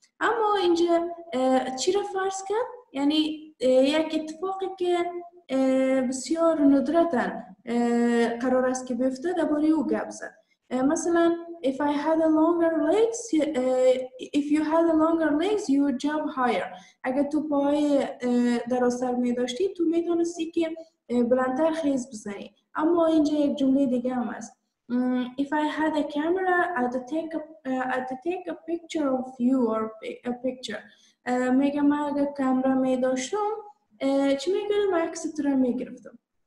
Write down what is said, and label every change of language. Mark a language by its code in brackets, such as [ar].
[fa] اما اینجا چی رو فرض کرد؟ یعنی یک اتفاقی که بسیار ندرتا قرار است که بیفته درباره او گپ زد. [en] مثلا if I had a longer legs, if you had a longer legs you would jump higher. [fa] اگر تو پای درازتر می داشتی، تو می دانستی که بلندتر خیز بزنی. اما اینجا یک جمله دیگه هم است. [en] If I had a camera, I'd take a picture of you or a picture. [fa] میگم من اگر کامرا می داشتم چی میگم؟ عکس تو رو میگرفتم.